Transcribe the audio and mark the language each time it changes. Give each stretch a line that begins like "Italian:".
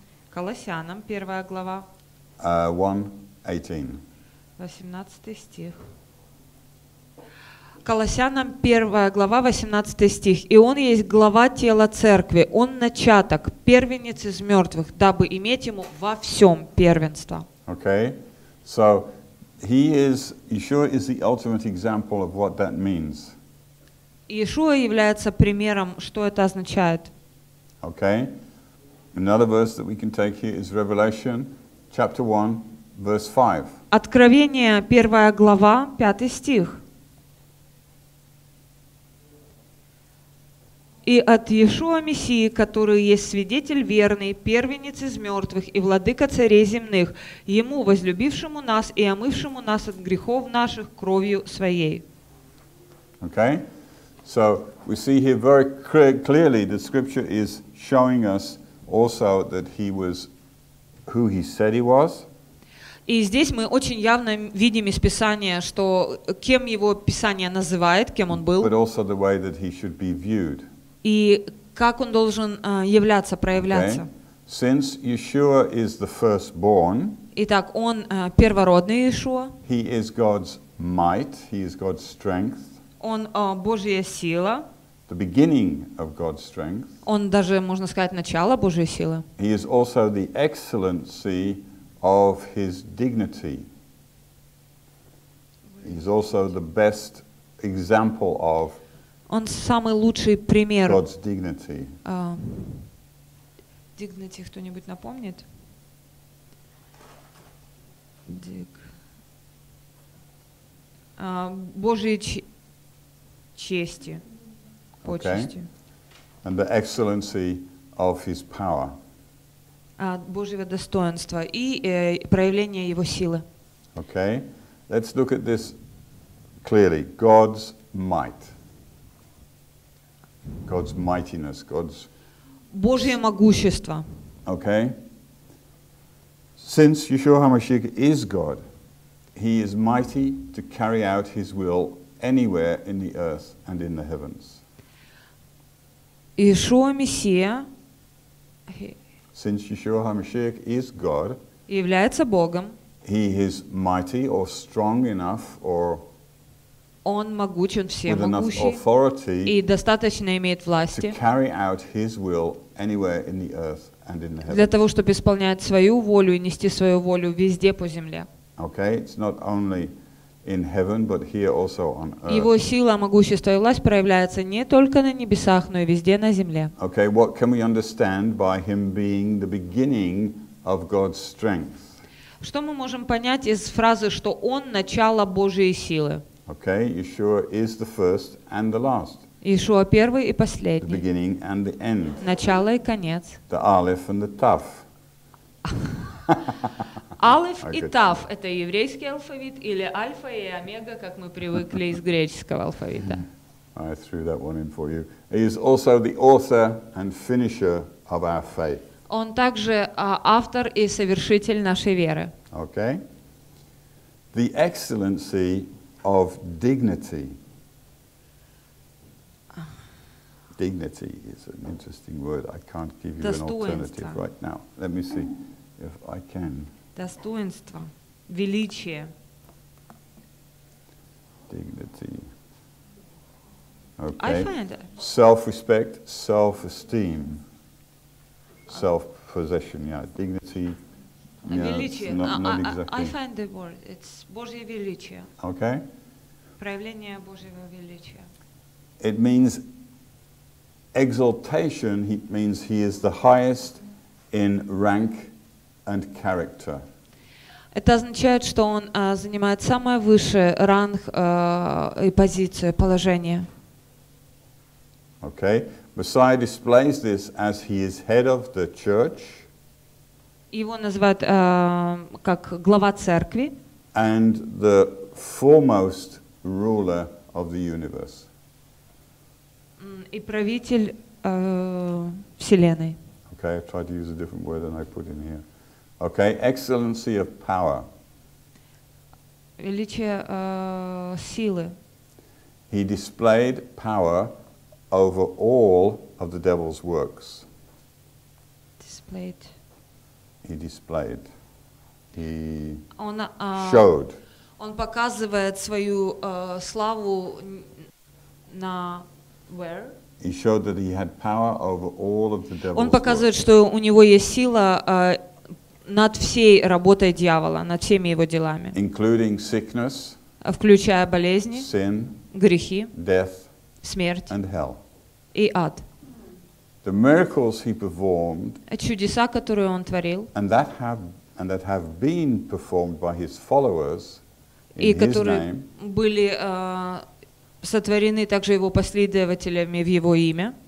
Russian: Колоссянам, первая глава. 18 стих. Колоссянам, первая глава, 18 стих. «И он есть глава тела церкви, он начаток, первенец из мертвых, дабы иметь ему во всем первенство».
English: Okay. So, He is Yeshua is the ultimate example of what that means.
Russian: Yeshua является примером, что это означает.
English: Okay. Another verse that we can take here is Revelation chapter 1 verse 5.
Russian: Откровение, первая глава, пятый стих. И от Иешуа Мессии, который есть свидетель верный, первенец из мертвых и владыка царей земных, ему, возлюбившему нас и омывшему нас от грехов наших кровью своей.
English: Okay. So we see here very clearly the scripture is showing us also that he was who he said he was.
Russian: И здесь мы очень явно видим из Писания, что кем его Писание называет, кем он был.
English: But also the way that he should be viewed.
Russian: И как он должен являться, проявляться.
English: Okay. Since Yeshua is the firstborn,
Russian: Итак, он первородный Иешуа.
English: He is God's might, he is God's strength.
Russian: Он Божья сила.
English: The beginning of God's strength.
Russian: Он даже, можно сказать, начало Божьей силы.
English: He is also the excellency of his dignity. He is also the best example of
Russian: Он самый лучший пример.
English: God's dignity.
Russian: Dignity кто-нибудь напомнит? Божьей чести. Почести.
English: Okay. And the excellency of his power.
Russian: Божьего достоинства и проявление его силы.
English: Okay. Let's look at this clearly. God's might. God's mightiness, God's
Russian: Божье могущество.
English: Okay. Since Yeshua HaMashiach is God, he is mighty to carry out his will anywhere in the earth and in the heavens. Yeshua Messiah. Since Yeshua HaMashiach is God,
Russian: является Богом.
English: He is mighty or strong enough or
Russian: Он могуч, Он всемогущий и достаточно имеет власти для того, чтобы исполнять свою волю и нести свою волю везде по земле.
English: Okay, it's not only in heaven, but here also on earth.
Russian: Его сила, могущество и власть проявляются не только на небесах, но и везде на земле.
English: Okay, what can we understand by him being the beginning of God's strength?
Russian: Что мы можем понять из фразы, что Он начало Божьей силы?
English: Okay, Yeshua is the first and the last.
Russian: Yeshua первый и последний.
English: The beginning and the end.
Russian: Начало и конец.
English: The Aleph and the Tav.
Russian: Aleph и Tav – это еврейский алфавит или альфа и омега, как мы привыкли из греческого алфавита.
English: I threw that one in for you. He is also the author and finisher of our faith.
Russian: Он также автор и совершитель нашей веры.
English: Okay. The excellency of dignity. Dignity is an interesting word. I can't give you an alternative right now. Let me see if I can.
Russian: Достоинство. Величие.
English: Dignity. Okay. I find that. Self-respect, self-esteem, self-possession. Yeah, dignity. Yeah,
Russian: величие.
English: Not exactly. I find the word. It's
Russian: Божье величие.
English: Okay.
Russian: Проявление Божьего величия.
English: It means exaltation. He means he is the highest in rank and character.
Russian: Это означает, что он занимает самое высшее ранг и позицию, положение.
English: Okay. Messiah displays this as he is head of the church.
Russian: Его называют как глава церкви.
English: And the foremost ruler of the universe.
Russian: И правитель вселенной.
English: Okay, I tried to use a different word than I put in here. Okay, excellency of power.
Russian: Величие силы.
English: He displayed power over all of the devil's works. Displayed. He displayed. He showed.
Russian: Он показывает свою славу на
English: where? He showed that he had power over all of the devil's works.
Russian: Он показывает, что у него есть сила над всей работой дьявола, над всеми его делами.
English: Including sickness.
Russian: Включая болезни.
English: Sin.
Russian: Грехи.
English: Death.
Russian: Смерть.
English: And hell.
Russian: И ад.
English: The miracles he performed.
Russian: Чудеса, которые он творил.
English: And that have been performed by his followers in his name.
Russian: Были сотворены также его последователями в его имя.